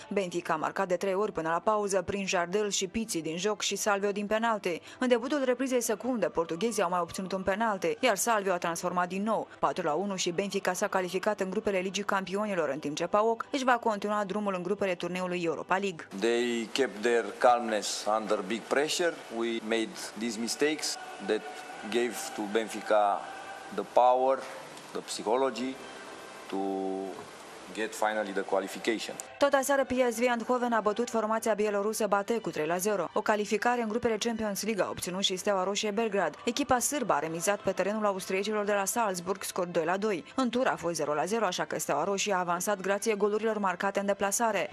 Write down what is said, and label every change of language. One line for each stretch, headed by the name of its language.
Romanian: Benfica a marcat de 3 ori până la pauză, prin Jardel și Pizzi din joc și Salvio din penalte. În debutul reprizei secunde, portughezii au mai obținut un penalte, iar Salvio a transformat din nou. 4-1 și Benfica s-a calificat în grupele Ligii Campionilor, în timp ce PAOK își va continua drumul în grupele turneului Europa League.
English: They kept their calmness under big pressure. We made these mistakes that gave to Benfica the power, the psychology to get finally the qualification.
Romanian: Tot aseară, PSV Eindhoven a bătut formația bielorusă Bate cu 3-0. O calificare în grupele Champions League a obținut și Steaua Roșie Belgrad. Echipa sârbă a remizat pe terenul austriecilor de la Salzburg, scor 2-2. În tur a fost 0-0, așa că Steaua Roșie a avansat grație golurilor marcate în deplasare.